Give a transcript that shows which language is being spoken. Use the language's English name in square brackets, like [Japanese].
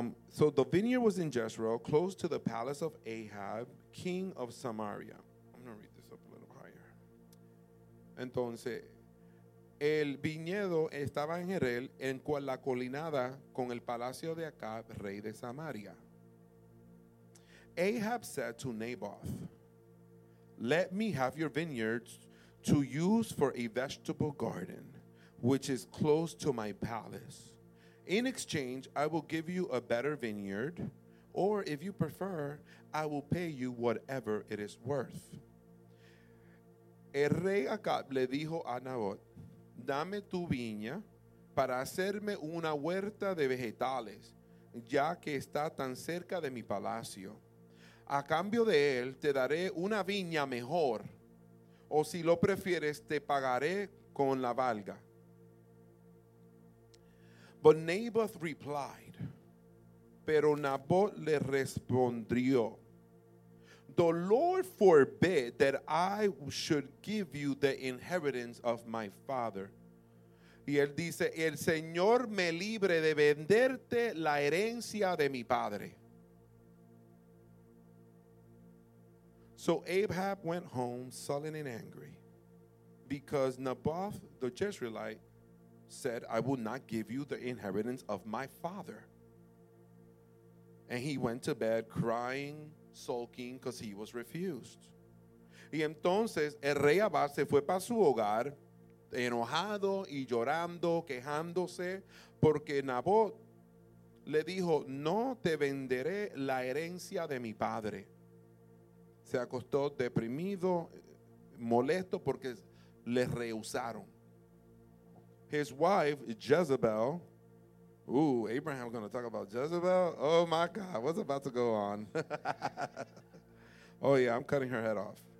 [English] So the vineyard was in Jezreel, close to the palace of Ahab, king of Samaria. I'm going to read this up a little higher. [Spanish] Entonces, el viñedo estaba en Jezreel, en la colinada con el palacio de Acab, rey de Samaria. [English] Ahab said to Naboth, let me have your vineyards to use for a vegetable garden, which is close to my palace. In exchange, I will give you a better vineyard, or if you prefer, I will pay you whatever it is worth. [Spanish] El rey Acab le dijo a Naboth, dame tu viña para hacerme una huerta de vegetales, ya que está tan cerca de mi palacio. A cambio de él, te daré una viña mejor. O si lo prefieres, te pagaré con la valga. [English] But Naboth replied. [Spanish] Pero Naboth le respondió. [English] The Lord forbid that I should give you the inheritance of my father. [Spanish] Y él dice, el Señor me libre de venderte la herencia de mi padre. [English] So Ahab went home sullen and angry because Naboth the Jezreelite said, I will not give you the inheritance of my father. And he went to bed crying, sulking, because he was refused. [Spanish] Y entonces el rey Abad se fue para su hogar enojado y llorando, quejándose, porque Naboth le dijo, no te venderé la herencia de mi padre. Se acostó deprimido, molesto, porque le rehusaron. [English] His wife, Jezebel, ooh, Abraham is going to talk about Jezebel. Oh, my God, what's about to go on? Oh, yeah, I'm cutting her head off.